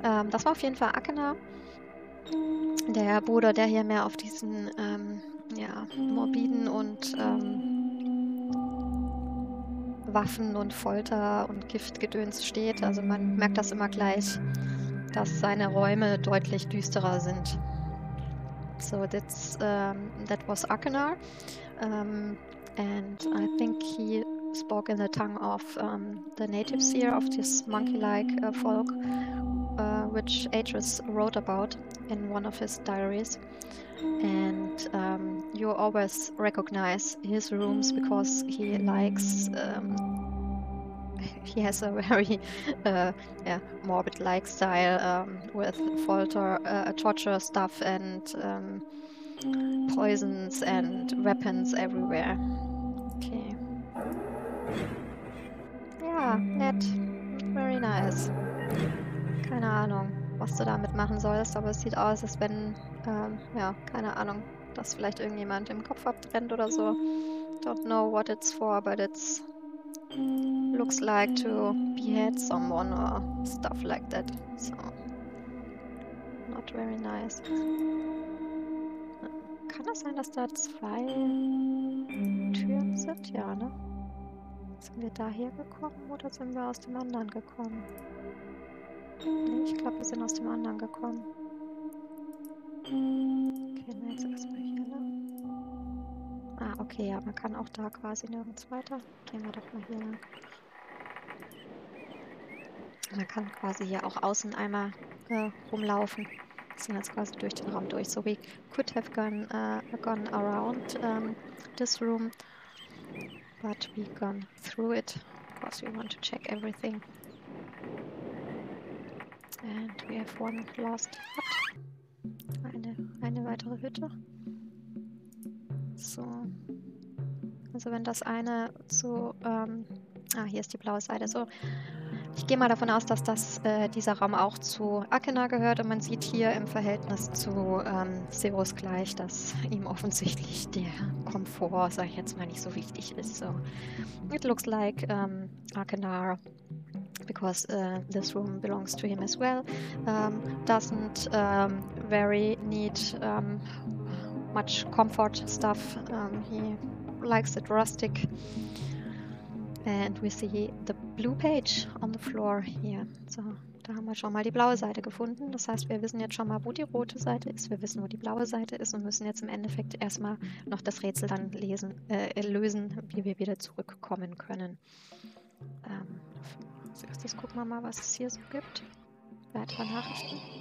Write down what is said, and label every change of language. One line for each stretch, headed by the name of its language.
German: Das war auf jeden Fall Akena, der Bruder, der hier mehr auf diesen ja, morbiden und Waffen und Folter und Giftgedöns steht. Also man merkt das immer gleich, dass seine Räume deutlich düsterer sind.
English: So, that was Akenar. And I think he spoke in the tongue of the natives here of this monkey-like folk, which Atreus wrote about in one of his diaries. And you always recognize his rooms because he has a very yeah, morbid like style with torture stuff and poisons and weapons everywhere. Okay.
German: Ja, nett.
English: Very nice.
German: Keine Ahnung, was du damit machen sollst, aber es sieht aus, als wenn, ja, keine Ahnung, dass vielleicht irgendjemand im Kopf abtrennt oder so.
English: Don't know what it's for, but it's looks like to behead someone or stuff like that. So, not very nice.
German: Kann das sein, dass da zwei Türen sind? Ja, ne? Sind wir da hergekommen oder sind wir aus dem anderen gekommen? Ne, ich glaube, wir sind aus dem anderen gekommen. Okay, na jetzt erstmal hier lang. Ah, okay, ja, man kann auch da quasi nirgends weiter. Gehen wir doch mal hier lang. Man kann quasi hier auch außen einmal rumlaufen. Wir sind jetzt quasi durch den Raum durch.
English: So, we could have gone around this room, but we gone through it, because we want to check everything. And we have one last hut.
German: Eine weitere Hütte.
English: So.
German: Also wenn das eine zu. Ah, hier ist die blaue Seite. So. Ich gehe mal davon aus, dass dieser Raum auch zu Akena gehört und man sieht hier im Verhältnis zu Zeus gleich, dass ihm offensichtlich der Komfort, sag ich jetzt mal, nicht so wichtig ist. So.
English: It looks like Akena, because this room belongs to him as well, doesn't very need much comfort stuff. He likes it rustic. And we see the blue page on the floor here.
German: So, da haben wir schon mal die blaue Seite gefunden. Das heißt, wir wissen jetzt schon mal, wo die rote Seite ist. Wir wissen, wo die blaue Seite ist und müssen jetzt im Endeffekt erstmal noch das Rätsel dann lösen, wie wir wieder zurückkommen können. Als erstes gucken wir mal, was es hier so gibt. Weitere Nachrichten.